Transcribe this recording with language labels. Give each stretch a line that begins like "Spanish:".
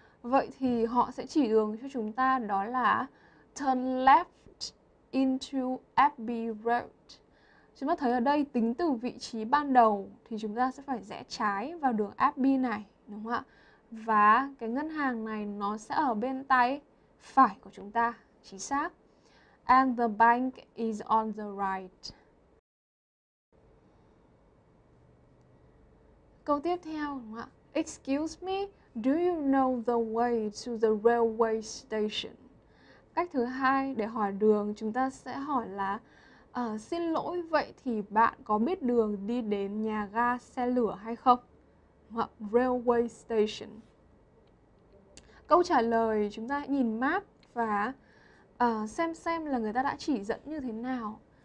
Vietnamese: Vậy thì họ sẽ chỉ đường cho chúng ta đó là
English: turn left into FB road.
Vietnamese: Chúng ta thấy ở đây tính từ vị trí ban đầu thì chúng ta sẽ phải rẽ trái vào đường FB này, đúng không ạ? Và cái ngân hàng này nó sẽ ở bên tay phải của chúng ta, chính xác.
English: And the bank is on the right.
Vietnamese: Câu tiếp theo, đúng không ạ?
English: Excuse me, do you know the way to the railway station?
Vietnamese: Cách thứ hai để hỏi đường chúng ta sẽ hỏi là xin lỗi, vậy thì bạn có biết đường đi đến nhà ga xe lửa hay không? Đúng không?
English: Railway station.
Vietnamese: Câu trả lời chúng ta hãy nhìn map và xem là người ta đã chỉ dẫn như thế nào.